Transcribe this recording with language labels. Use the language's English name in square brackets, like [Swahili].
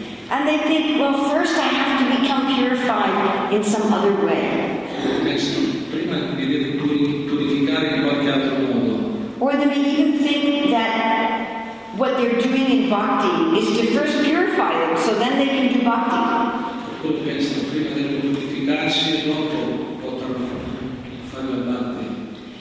[English] And they think, well, first I have to become purified in some other way. [Italian] Prima mi devo purificare in qualche altro modo. [English] Or they may even think that what they're doing in bhakti is to first purify them, so then they can do bhakti. [Italian] Oppure pensano prima di purificarsi e dopo potranno fare la bhakti.